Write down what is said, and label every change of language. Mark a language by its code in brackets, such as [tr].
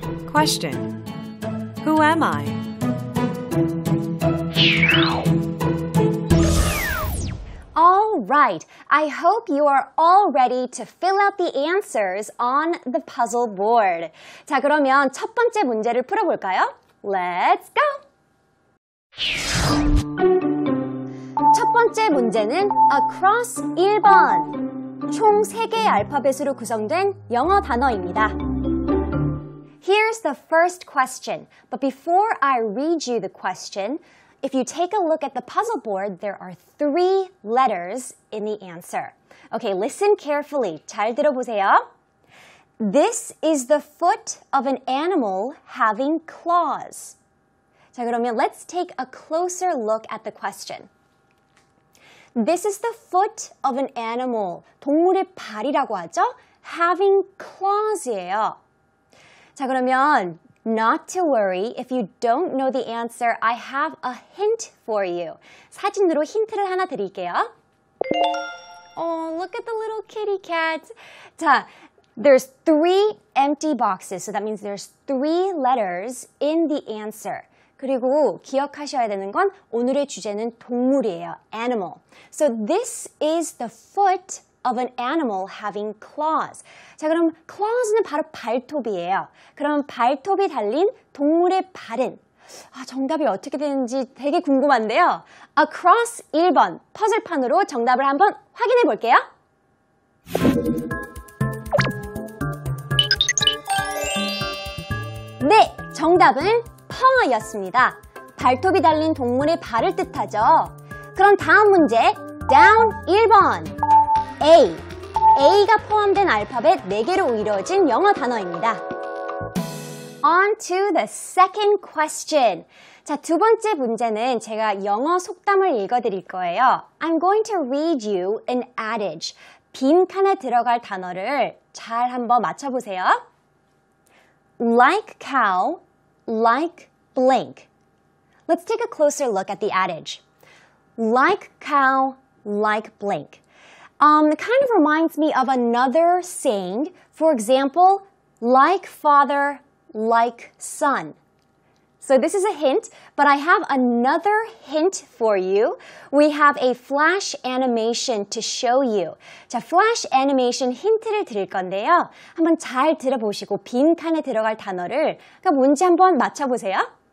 [en] Question: Who am I? All right, I hope you are all ready to fill out the answers on the puzzle board. [ko] 자, 그러면 첫 번째 문제를 풀어볼까요? [en] Let's go! [ko] 첫 번째 문제는 across 1번. 총 3개의 알파벳으로 구성된 영어 단어입니다. [en] Here's the first question. But before I read you the question, if you take a look at the puzzle board, there are three letters in the answer. Okay, listen carefully. [ko] 잘 들어보세요. [en] This is the foot of an animal having claws. [ko] 자, 그러면 [en] let's take a closer look at the question. This is the foot of an animal. [ko] 동물의 발이라고 하죠? [en] Having claws [ko] 예요. 자, 그러면 [en] not to worry. If you don't know the answer, I have a hint for you. [ko] 사진으로 힌트를 하나 드릴게요. [en] Oh, look at the little kitty cat. 자, there's three empty boxes. So that means there's three letters in the answer. [ko] 그리고 기억하셔야 되는 건 오늘의 주제는 동물이에요. [en] Animal. So this is the foot of an animal having claws. [ko] 자, 그럼 claws는 바로 발톱이에요. 그럼 발톱이 달린 동물의 발은? 아, 정답이 어떻게 되는지 되게 궁금한데요. Across 1번, 퍼즐판으로 정답을 한번 확인해 볼게요. 네, 정답은 paw였습니다. 발톱이 달린 동물의 발을 뜻하죠. 그럼 다음 문제, down 1번. A. A가 포함된 알파벳 4개로 이루어진 영어 단어입니다. [en] On to the second question. [ko] 자, 두 번째 문제는 제가 영어 속담을 읽어드릴 거예요. [en] I'm going to read you an adage. [ko] 빈칸에 들어갈 단어를 잘 한번 맞춰보세요. [en] Like cow, like blank. Let's take a closer look at the adage. Like cow, like blank. It kind of reminds me of another saying. For example, like father, like son. So this is a hint, but I have another hint for you. We have a flash animation to show you. [ko] 자, flash animation 힌트를 드릴 건데요. 한번 잘 들어보시고 빈칸에 들어갈 단어를 그러니까 문제 한번 맞춰보세요.